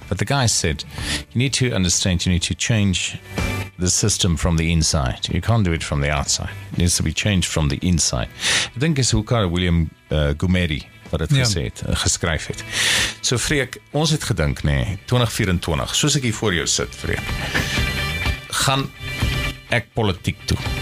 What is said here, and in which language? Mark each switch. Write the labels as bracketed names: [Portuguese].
[English] But the guy said, you need to understand, you need to change the system from the inside. You can't do it from the outside. It needs to be changed from the inside. [Afrikaans] Ek dink is hoe Carl William Gumeri wat het gesê het, geskryf het. So Freek, ons het gedink, nee, 2024, soos ek hier voor jou sit, Freek, gaan ek politiek toe.